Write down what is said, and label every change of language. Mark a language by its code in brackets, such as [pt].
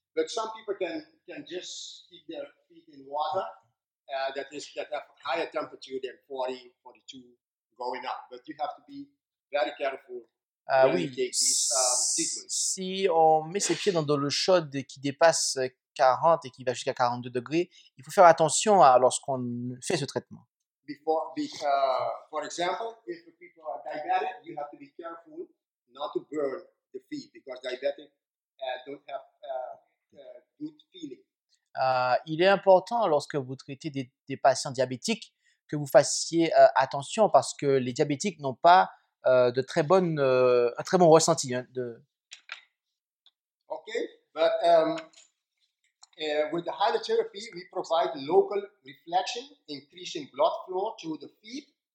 [en] But some people can just keep their feet in water that have higher temperature than 40, 42 going up. But you have to be very careful. [fr] Oui, si on met ses pieds dans de l'eau chaude qui dépasse 40 et qui va jusqu'à 42 degrés, il faut faire attention à lorsqu'on fait ce traitement. [en] For example, if people are diabetic, you have to be careful not to burn the feet because diabetic don't have good feeling. [fr] Il est important lorsque vous traitez des patients diabétiques que vous fassiez attention parce que les diabétiques n'ont pas de très bonnes, un très bon ressenti. Hein, de... [en] Okay, but with the hydrotherapy, we provide local reflection, increasing blood flow to the feet.